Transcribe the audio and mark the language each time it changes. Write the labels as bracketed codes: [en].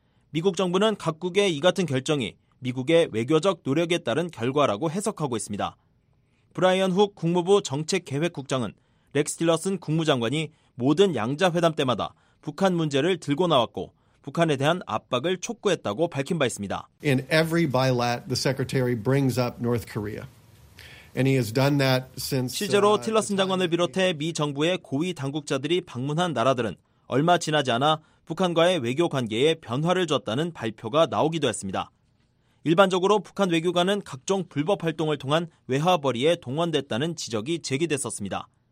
[ko] 미국 정부는 각국의 이 같은 결정이 미국의 외교적 노력에 따른 결과라고 해석하고 있습니다. 브라이언 훅 국무부 정책계획국장은 렉스 틸러슨 국무장관이 모든 양자회담 때마다 북한 문제를 들고 나왔고 북한에 대한 압박을 촉구했다고 밝힌 바 있습니다. [en] In every bilat, the secretary brings up North Korea. And he has done that since. [ko] 실제로 틸러슨 장관을 비롯해 미 정부의 고위 당국자들이 방문한 나라들은 얼마 지나지 않아 북한과의 외교 관계에 변화를 줬다는 발표가 나오기도 했습니다. 일반적으로 북한 외교관은 각종 불법 활동을 통한 외화 벌이에 동원됐다는 지적이 제기됐었습니다.